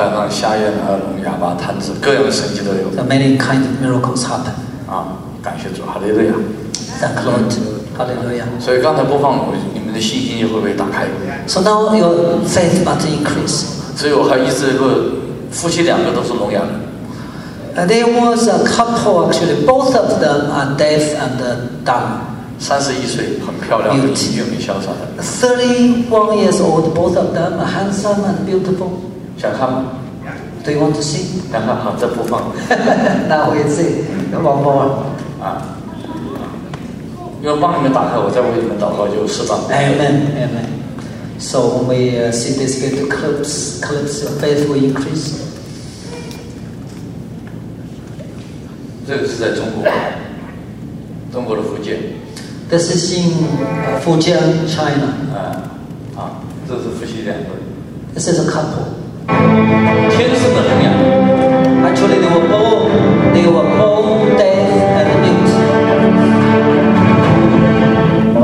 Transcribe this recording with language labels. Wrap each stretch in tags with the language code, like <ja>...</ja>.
<zh>瞎眼和聋哑巴、瘫子，各样的神迹都有。</zh> <en>So many kind of miracles happen.</en> <zh>啊，感谢主，哈利路亚。</zh> <en>Thank Lord. 哈利路亚。</en> <zh>所以刚才播放，你们的信心也会被打开。</zh> <en>So now your faith must increase.</en> <zh>所以我还一直说，夫妻两个都是聋哑人。</zh> <en>There was a couple actually, both of them are deaf and dumb.</en> <zh>31岁，很漂亮，英俊潇洒的。</zh> <en>31 years old, both of them are handsome and beautiful.</en> <zh>想看吗？</zh> <en>Do you want to see?</en> <zh>看看，好，这不放。</zh> <en>Now we see.</en> <zh>王博啊，要帮你们打开，我再为你们祷告，就释放。</zh> <en>Amen, amen. So when we see this good clips, your faith will increase.</en> <zh>这个是在中国，中国的福建。</zh> <en>This is in Fujian, China.</en> <zh>啊，这是夫妻两个。</zh> <en>This is a couple.</en> <zh>天生的朋友。</zh> <en>Actually, they were born deaf and mute.</en>